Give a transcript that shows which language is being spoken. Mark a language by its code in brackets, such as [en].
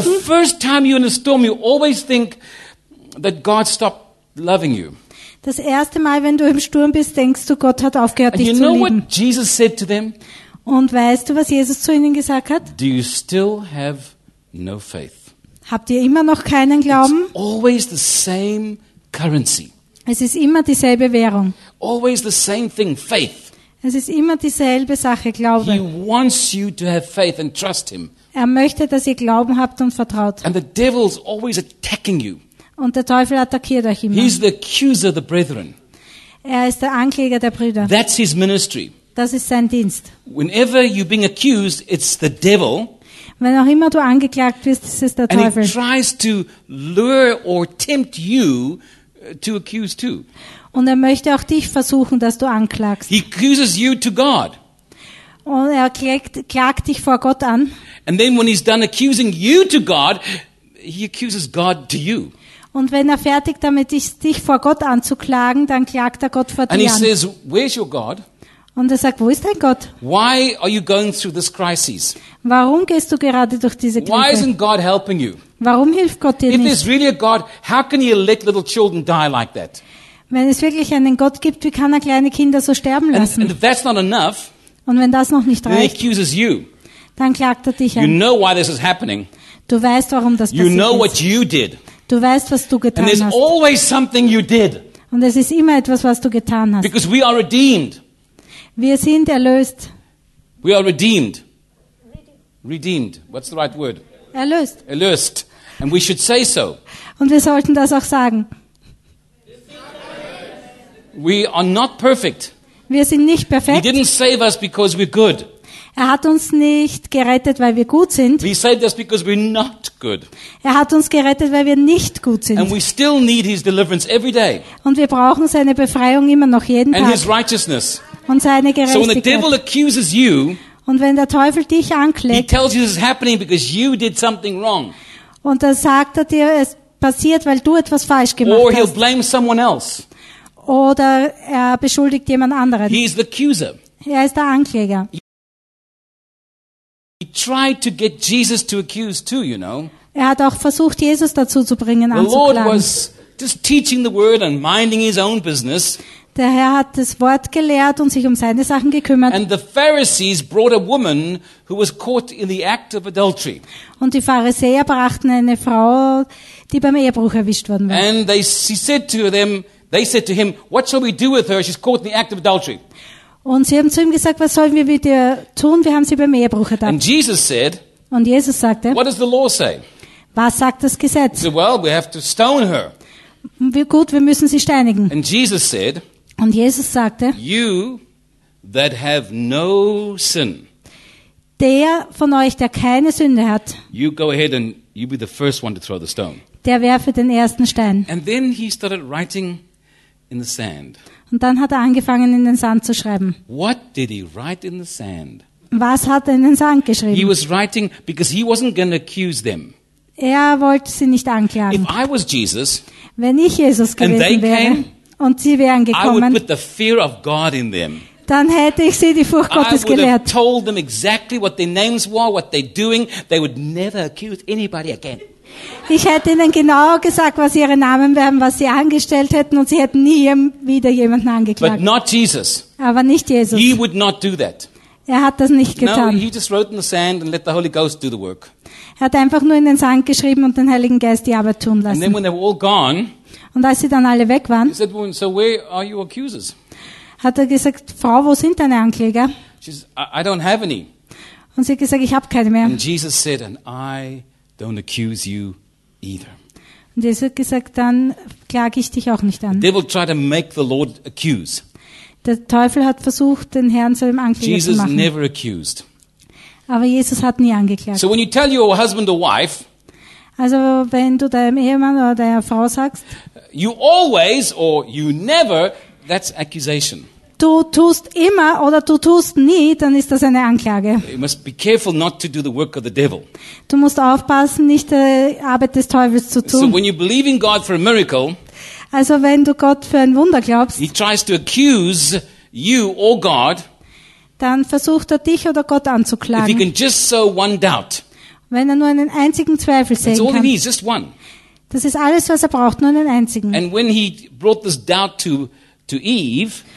[en] The first time you're in a storm, you always think that God stopped loving you. [de] Das erste Mal, wenn du im Sturm bist, denkst du, Gott hat aufgehört, dich zu lieben. [en] And you know what Jesus said to them? [de] Und weißt du, was Jesus zu ihnen gesagt hat? [en] Do you still have no faith? [de] Habt ihr immer noch keinen Glauben? [en] It's always the same currency. [de] Es ist immer dieselbe Währung. [en] Always the same thing, faith. [de] Es ist immer dieselbe Sache, Glaube. [en] He wants you to have faith and trust him. [de] Er möchte, dass ihr Glauben habt und vertraut. [en] And the devil's always attacking you. [de] Und der Teufel attackiert euch immer. [en] He's the accuser of the brethren. [de] Er ist der Ankläger der Brüder. [en] That's his ministry. [de] Das ist sein Dienst. [en] Whenever you're being accused, it's the devil. [de] Wenn auch immer du angeklagt wirst, ist es der Teufel. [en] And he tries to lure or tempt you to accuse too. [de] Und er möchte auch dich versuchen, dass du anklagst. [en] He accuses you to God. [de] Und er klagt dich vor Gott an. [en] And then when he's done accusing you to God, he accuses God to you. [de] Und wenn er fertig damit ist, dich vor Gott anzuklagen, dann klagt er Gott vor dir an. [en] And he says, "Where's your God?" [de] Und er sagt, wo ist dein Gott? [en] Why are you going through this crisis? [de] Warum gehst du gerade durch diese Krise? [en] Why isn't God helping you? [de] Warum hilft Gott dir nicht? [en] If there's really a God, how can he let little children die like that? [de] Wenn es wirklich einen Gott gibt, wie kann er kleine Kinder so sterben lassen? [en] And if that's not enough, [de] und wenn das noch nicht reicht, [en] then he accuses you. [de] Dann klagt er dich an. [en] You know why this is happening. [de] Du weißt, warum das passiert ist. [en] You know what you did. [de] Du weißt, was du getan hast. [en] And there's always something you did. [de] Und es ist immer etwas, was du getan hast. [en] Because we are redeemed. [de] Wir sind erlöst. [en] We are redeemed. Redeemed. What's the right word? [de] Erlöst. Erlöst. [en] And we should say so. [de] Und wir sollten das auch sagen. [en] We are not perfect. [de] Wir sind nicht perfekt. [en] He didn't save us because we're good. [de] Er hat uns nicht gerettet, weil wir gut sind. [en] He saved us because we're not good. [de] Er hat uns gerettet, weil wir nicht gut sind. [en] And we still need his deliverance every day. [de] Und wir brauchen seine Befreiung immer noch jeden [en] and [de] Tag. [en] His righteousness. [de] Und seine Gerechtigkeit. [en] So when the devil accuses you, [de] und wenn der Teufel dich anklagt, [en] he tells you this is happening because you did something wrong. [de] Und dann sagt er dir, es passiert, weil du etwas falsch gemacht [en] or [de] hast. [en] Or he'll blame someone else. [de] Oder er beschuldigt jemand anderen. [en] He is the accuser. [de] Er ist der Ankläger. [en] He tried to get Jesus to accuse too, you know. [de] Er hat auch versucht, Jesus dazu zu bringen, anzuklagen. [en] The Lord was just teaching the word and minding his own business. [de] Der Herr hat das Wort gelehrt und sich um seine Sachen gekümmert. [en] And the Pharisees brought a woman who was caught in the act of adultery. [de] Und die Pharisäer brachten eine Frau, die beim Ehebruch erwischt worden war. [en] And they said to him, "What shall we do with her? She's caught in the act of adultery." [de] Und sie haben zu ihm gesagt, was sollen wir mit ihr tun? Wir haben sie beim Ehebruch ertappt. [en] And Jesus said, [de] und Jesus sagte, [en] "What does the law say?" [de] Was sagt das Gesetz? [en] He said, "Well, we have to stone her." [de] Gut, wir müssen sie steinigen. [en] And Jesus said, [de] und Jesus sagte, [en] "You that have no sin." [de] Der von euch, der keine Sünde hat. [en] You go ahead and you be the first one to throw the stone. [de] Der werfe den ersten Stein. [en] And then he started writing in the sand. [de] Und dann hat er angefangen, in den Sand zu schreiben. [en] What did he write in the sand? [de] Was hat er in den Sand geschrieben? [en] He was writing because he wasn't going to accuse them. [de] Er wollte sie nicht anklagen. [en] If I was Jesus, [de] wenn ich Jesus gewesen [en] and they [de] wäre, [en] came, [de] und sie wären gekommen, [en] I would put the fear of God in them. [de] Dann hätte ich sie die Furcht Gottes gelehrt. [en] I would have told them exactly what their names were, what they're doing. They would never accuse anybody again. [de] Ich hätte ihnen genau gesagt, was ihre Namen wären, was sie angestellt hätten, und sie hätten nie wieder jemanden angeklagt. [en] But not Jesus. [de] Aber nicht Jesus. [en] He would not do that. [de] Er hat das nicht getan. [en] No, he just wrote in the sand and let the Holy Ghost do the work. [de] Er hat einfach nur in den Sand geschrieben und den Heiligen Geist die Arbeit tun lassen. [en] And then when they were all gone, [de] und als sie dann alle weg waren, [en] he said, "So where are your accusers?" [de] Hat er gesagt, Frau, wo sind deine Ankläger? [en] She says, "I don't have any." [de] Und sie hat gesagt, ich habe keine mehr. [en] And Jesus said, "And I don't accuse you either." [de] Und Jesus hat gesagt, dann klage ich dich auch nicht an. [en] The devil tried to make the Lord accuse. [de] Der Teufel hat versucht, den Herrn zu dem Ankläger [en] Jesus [de] zu machen. [en] Jesus never accused. [de] Aber Jesus hat nie angeklagt. [en] So when you tell your husband or wife, [de] also wenn du deinem Ehemann oder deiner Frau sagst, [en] "You always or you never," that's accusation. [de] Du tust immer oder du tust nie, dann ist das eine Anklage. [en] You must be careful not to do the work of the devil. [de] Du musst aufpassen, nicht die Arbeit des Teufels zu tun. [en] So when you believe in God for a miracle, [de] also wenn du Gott für ein Wunder glaubst, [en] he tries to accuse you or God, [de] dann versucht er dich oder Gott anzuklagen. [en] If he can just sow one doubt, [de] wenn er nur einen einzigen Zweifel sehen kann. [en] That's all he needs, just one. [de] Das ist alles, was er braucht, nur einen einzigen. [en] And when he brought this doubt to Eve,